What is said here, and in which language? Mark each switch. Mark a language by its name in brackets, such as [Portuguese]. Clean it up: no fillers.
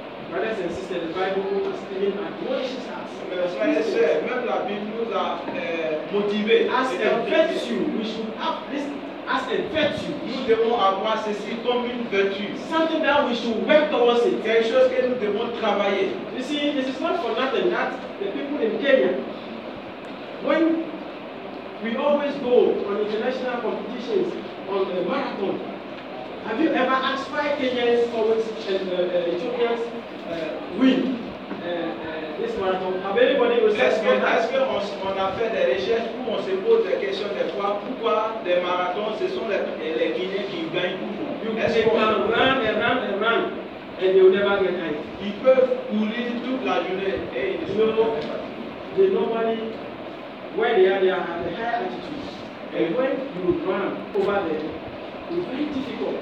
[English] Brothers and sisters, the Bible has even admonishes us. [French] Frères et sœurs, même la Bible nous a motivés. [English] As a virtue, we should have this. As a virtue. [French] Nous devons avoir ceci comme une vertu. [English] Something that we should work towards it. [French] Quelque chose que nous devons travailler. [English] You see, this is not for nothing that the people in Kenya, when we always go on international competitions on the marathon, have you ever asked why Kenyans always and Ethiopians win? This marathon. Have anybody [French] Est-ce qu'on a fait des recherches où on se pose des questions des fois pourquoi des marathons ce sont les Guinéens qui gagnent toujours? [English] You can run and run and run and they will never get tired. [French] Ils peuvent courir toute la journée et ils ne sont pas [English] tired. Normally, where they are at a high altitude. And when you run over there, it's very difficult.